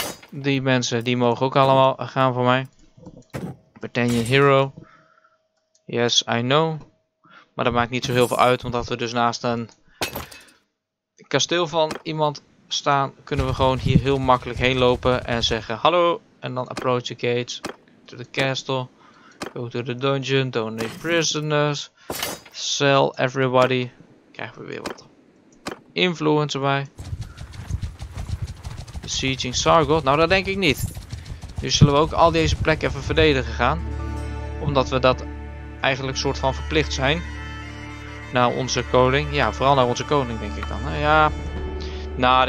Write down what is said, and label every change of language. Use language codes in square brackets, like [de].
[nl] Die mensen, die mogen ook allemaal gaan voor mij. Britannian Hero. [en] Yes, I know. [nl] Maar dat maakt niet zo heel veel uit, omdat we dus naast een kasteel van iemand staan, kunnen we gewoon hier heel makkelijk heen lopen en zeggen hallo. En dan [en] approach the gate. To the castle, go to the dungeon, donate prisoners, sell everybody. [nl] Krijgen we weer wat influence erbij. [en] Besieging [nl] Sargoth, nou dat denk ik niet. Nu zullen we ook al deze plekken even verdedigen gaan. Omdat we dat eigenlijk soort van verplicht zijn. Naar onze koning, ja vooral naar onze koning denk ik dan.